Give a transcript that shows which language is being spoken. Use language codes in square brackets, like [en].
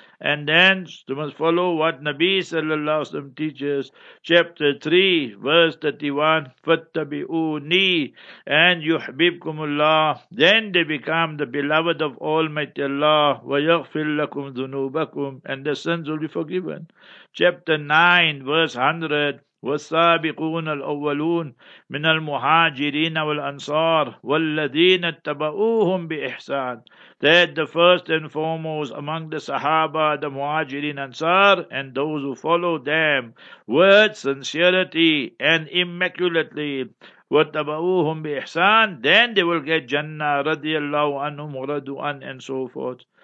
[en] and then they must follow what Nabi Sallallahu Alaihi Wasallam teaches, chapter 3, verse 31, [ar] فَاتَّبِعُونِي [en] and [ar] يُحْبِبْكُمُ اللَّهِ, [en] then they become the beloved of Almighty Allah, [ar] وَيَغْفِرْ لَكُمْ ذُنُوبَكُمْ, [en] and their sins will be forgiven. Chapter 9, verse 100, [ar] والسابقون الأولون من المهاجرين والأنصار والذين اتبعوهم بإحسان. [en] That the first and foremost among the Sahaba, the Muhajirin Ansar, and those who followed them with sincerity and immaculately, [ar] وَاتَّبَعُوهُمْ بِإِحْسَانِ, [en] then they will get Jannah, [ar] رَضِيَ اللَّهُ عَنْهُمْ وَرَضُوا عَنْهُ, [en] and so forth.